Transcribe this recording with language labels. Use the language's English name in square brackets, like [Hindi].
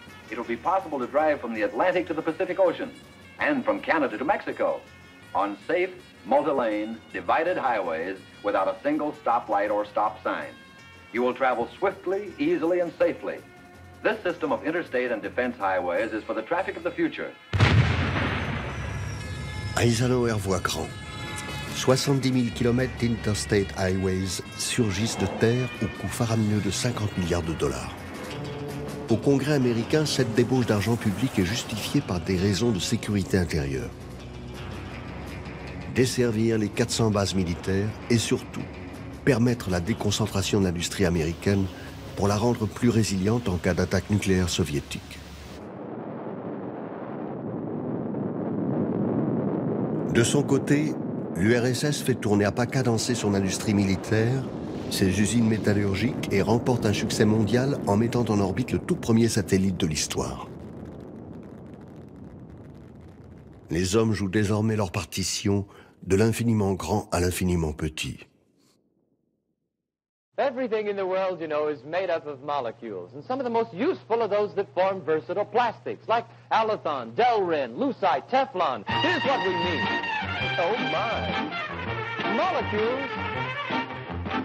[English] It will be possible to drive from the Atlantic to the Pacific Ocean and from Canada to Mexico on safe, multi-lane, divided highways without a single stoplight or stop sign. You will travel swiftly, easily, and safely. This system of interstate and defense highways is for the traffic of the future. [French] Eisenhower voit grand. 70 000 km d'Interstate Highways surgissent de terre au coût faramineux de 50 milliards de dollars. Au Congrès américain, cette débauche d'argent public est justifiée par des raisons de sécurité intérieure. Desservir les 400 bases militaires et surtout permettre la déconcentration de l'industrie américaine pour la rendre plus résiliente en cas d'attaque nucléaire soviétique. De son côté, l'URSS fait tourner à pas cadencés son industrie militaire, ses usines métallurgiques et remporte un succès mondial en mettant en orbite le tout premier satellite de l'histoire. Les hommes jouent désormais leur partition de l'infiniment grand à l'infiniment petit. [English] Everything in the world, you know, is made up of molecules. And some of the most useful are those that form versatile plastics, like Alathon, Delrin, Lucite, Teflon. Here's what we mean. Oh my! Molecules!